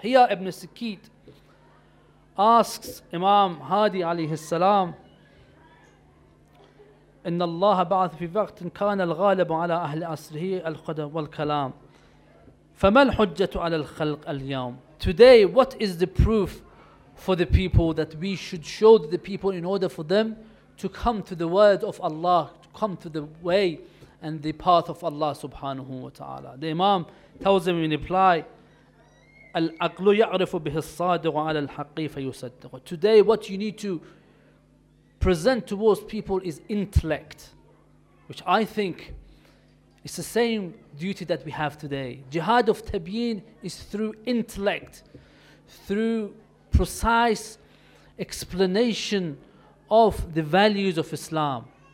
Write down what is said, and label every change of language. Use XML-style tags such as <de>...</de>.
<en>Here Ibn Sakit asks Imam Hadi alayhi salam,</en> <ar>إن الله بعث في وقت كان الغالب على أهل عصره القدر والكلام فما الحجة على الخلق اليوم.</ar> <en>Today, what is the proof for the people that we should show to the people in order for them to come to the word of Allah, to come to the way and the path of Allah subhanahu wa ta'ala? The Imam tells him in reply,</en> <ar>العقل يعرف به الصادق على الحقيف يصدق.</ar> <en>Today, what you need to present towards people is intellect, which I think is the same duty that we have today. Jihad of Tabyin is through intellect, through precise explanation of the values of Islam.</en>